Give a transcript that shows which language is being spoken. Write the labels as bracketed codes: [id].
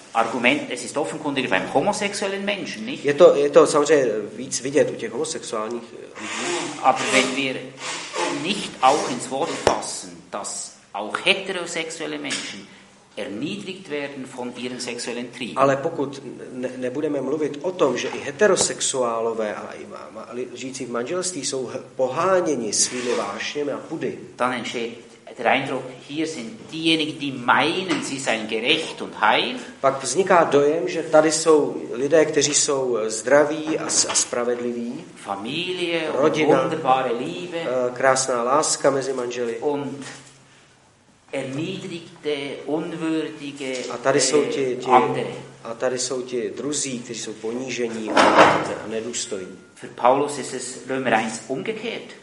[de] Argument, es ist offenkundig beim homosexuellen Menschen, nicht? [cs] Je to samozřejmě víc vidět u těch homosexuálních lidí. [de] Aber wenn wir nicht auch ins Wort fassen, dass auch heterosexuelle Menschen erniedrigt werden von ihren sexuellen Trieben. [cs] Ale pokud nebudeme mluvit o tom, že i heterosexuálové a i žijící v manželství jsou poháněni svými vášněmi a pudy. [de] Dann entsteht der Eindruck, hier sind diejenigen, die meinen, sie seien gerecht und heil. [cs] Pak vzniká dojem, že tady jsou lidé, kteří jsou zdraví a spravedliví. [de] Familie, [cs] rodina, [de] wunderbare Liebe. [cs] Krásná láska mezi manželi. [de] Und erniedrigte, unwürdige, [cs] a tady jsou ti andere. A tady jsou ti druzí, kteří jsou ponížení a nedůstojní. [de] Für Paulus ist es Römer 1 umgekehrt.